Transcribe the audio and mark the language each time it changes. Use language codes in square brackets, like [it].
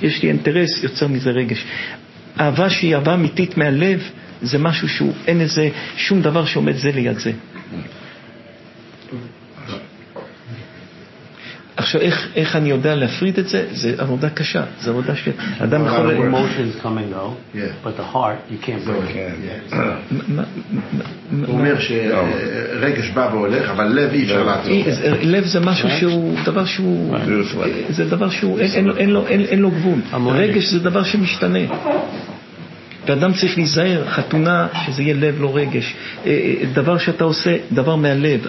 [he] יש לי אינטרס, יוצר מזה רגש. אהבה שהיא אהבה אמיתית מהלב, זה משהו שהוא, אין איזה שום דבר שעומד זה ליד זה. עכשיו, איך אני יודע להפריד את זה? זה עבודה קשה, זה עבודה שאדם יכול... [en] Emotions come and go, but the heart, you can't break it. [he] הוא אומר שרגש בא והולך, אבל לב אי אפשר לעצור. לב זה משהו שהוא, דבר שהוא... זה דבר שהוא, אין לו גבול. רגש זה דבר שמשתנה. ואדם צריך להיזהר, חתונה, שזה יהיה לב, לא רגש. דבר שאתה עושה, דבר מהלב.